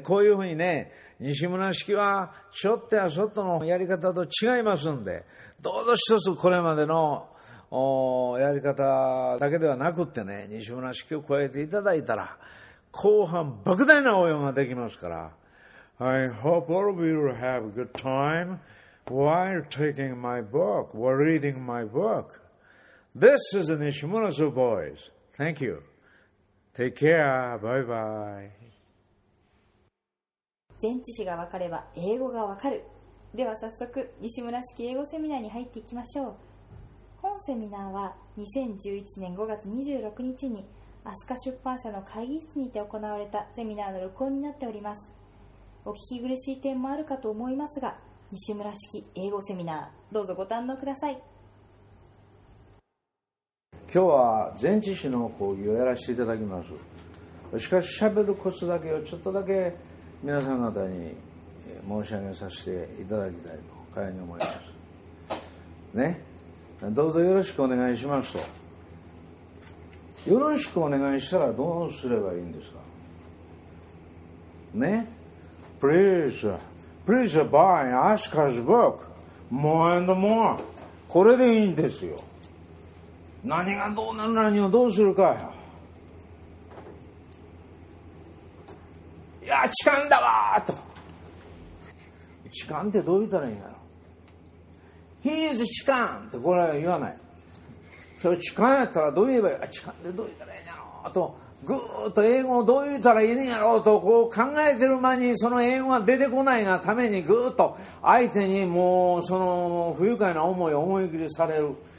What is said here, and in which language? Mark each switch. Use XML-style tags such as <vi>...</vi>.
<ja>こういうふうにね、西村式はちょっとやそっとのやり方と違いますんで、どうぞ一つこれまでのやり方だけではなくってね、西村式を超えていただいたら、後半莫大な応用ができますから。</ja> <en>I hope all of you will have a good time while taking my book, while reading my book. This is Nishimura's voice. Thank you. Take care. Bye bye.</en> <ja>全知識が分かれば英語が分かる。では早速、西村式英語セミナーに入っていきましょう。本セミナーは2011年5月26日にアスカ出版社の会議室にて行われたセミナーの録音になっております。お聞き苦しい点もあるかと思いますが、西村式英語セミナー、どうぞご堪能ください。今日は前置詞の講義をやらせていただきます。しかし喋るコツだけをちょっとだけ皆さん方に申し上げさせていただきたいと会員に思います、ね、どうぞよろしくお願いしますと。よろしくお願いしたらどうすればいいんですかね。</ja> <en>Please Please buy Asuka's book more and more。</en> <ja>これでいいんですよ。何がどうなる、何をどうするか。いや痴漢だわーと。痴漢ってどう言ったらいいんだろう。</ja> <en>He is</en> <ja>痴漢ってこれは言わない。それ痴漢やったらどう言えばいい。痴漢ってどう言ったらいいんだろうと、ぐーっと英語をどう言ったらいいんやろうとこう考えてる間に、その英語が出てこないがためにぐーっと相手にもうその不愉快な思いを思い切りされる。</ja>